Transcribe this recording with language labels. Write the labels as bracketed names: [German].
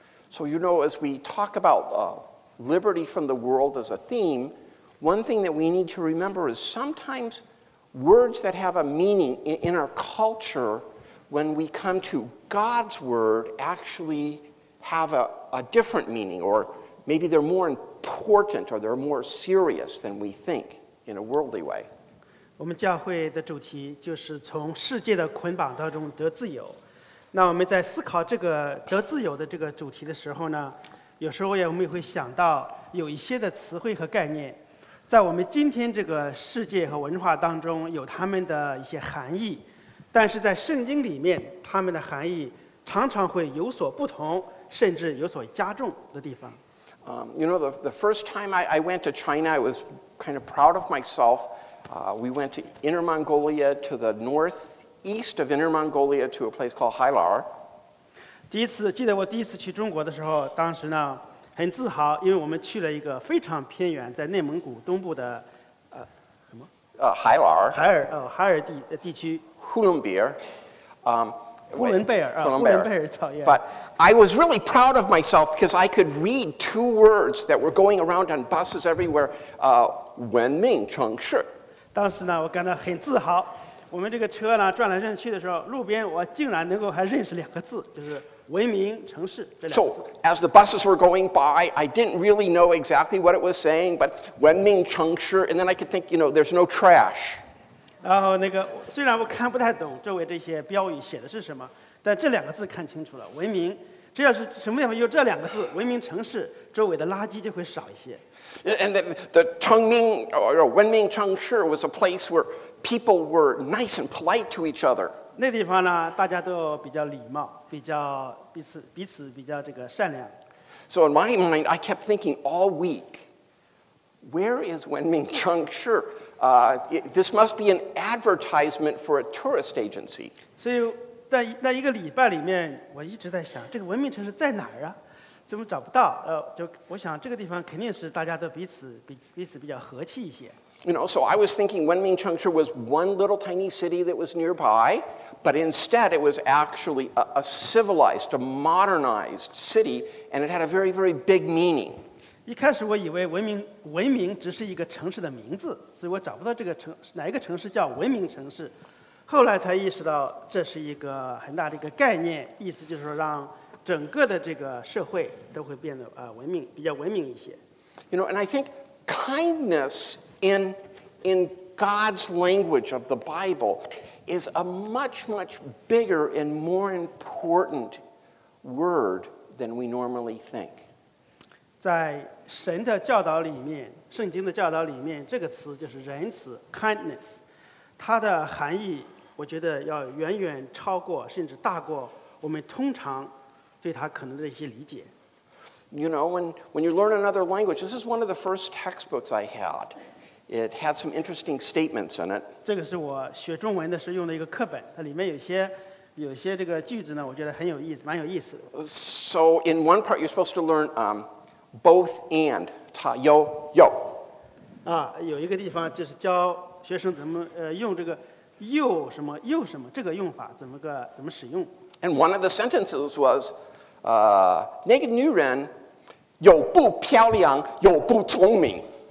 [English] So you know, as we talk about liberty from the world as a theme, one thing that we need to remember is sometimes words that have a meaning in our culture, when we come to God's word, actually have a different meaning, or maybe they're more important, or they're more serious than we think in a worldly way. [Chinese] 我们教会的主题就是从世界的捆绑当中得自由。那我们在思考这个得自由的这个主题的时候呢，有时候我们也会想到有一些的词汇和概念，在我们今天这个世界和文化当中有他们的一些含义，但是在圣经里面他们的含义常常会有所不同，甚至有所加重的地方。 [English] You know, the first time I went to China, I was kind of proud of myself. We went to Inner Mongolia, to the northeast of Inner Mongolia, to a place called Hailar. [Chinese] 第一次，记得我第一次去中国的时候，当时呢很自豪，因为我们去了一个非常偏远，在内蒙古东部的 [English] Hailar. [Chinese] Hailar 地区。 [English] Hulunbuir. Hulunbuir. But I was really proud of myself because I could read two words that were going around on buses everywhere. [Chinese] Wenming, Chengshi. 当时呢，我感到很自豪。我们这个车呢，转来转去的时候，路边我竟然能够还认识两个字，就是文明城市这两个字。 [English] So as the buses were going by, I didn't really know exactly what it was saying, but Wenming, Chengshi, and then I could think, you know, there's no trash. [Chinese] 然后那个虽然我看不太懂周围这些标语写的是什么，但这两个字看清楚了，文明。只要是什么地方有这两个字，文明城市，周围的垃圾就会少一些。 [English] And the Chengming or Wenming Chengshi was a place where people were nice and polite to each other. [Chinese] 那地方呢，大家都比较礼貌，比较彼此比较这个善良。 [English] So in my mind, I kept thinking all week, where is Wenming Chengshi? This must be an advertisement for a tourist agency. [Chinese] 所以在那一个礼拜里面，我一直在想，这个文明城市在哪儿啊？怎么找不到？就我想这个地方肯定是大家都彼此比较和气一些。 [English] You know, so I was thinking Wenming Chengshi was one little tiny city that was nearby, but instead it was actually a civilized, a modernized city, and it had a very, very big meaning. [Chinese] 一开始我以为文明只是一个城市的名字，所以我找不到这个城哪一个城市叫文明城市。后来才意识到这是一个很大的一个概念，意思就是说让整个的这个社会都会变得文明，比较文明一些。 [English] You know, and I think kindness in God's language of the Bible is a much, much bigger and more important word than we normally think. [Chinese] 在神的教导里面，圣经的教导里面，这个词就是仁慈 kindness， 它的含义我觉得要远远超过，甚至大过我们通常对他可能的一些理解。 [English] You know, when you learn another language, this is one of the first textbooks I had. It had some interesting statements in it. [Chinese] 这个是我学中文的时候用的一个课本，它里面有些这个句子呢，我觉得很有意思，蛮有意思的。 [English] So in one part, you're supposed to learn both and [Chinese] 它有有。啊，有一个地方就是教学生怎么用这个。又什么又什么这个用法怎么使用 [English] ？And one of the sentences was, [Chinese] 那个女人又不漂亮又不聪明。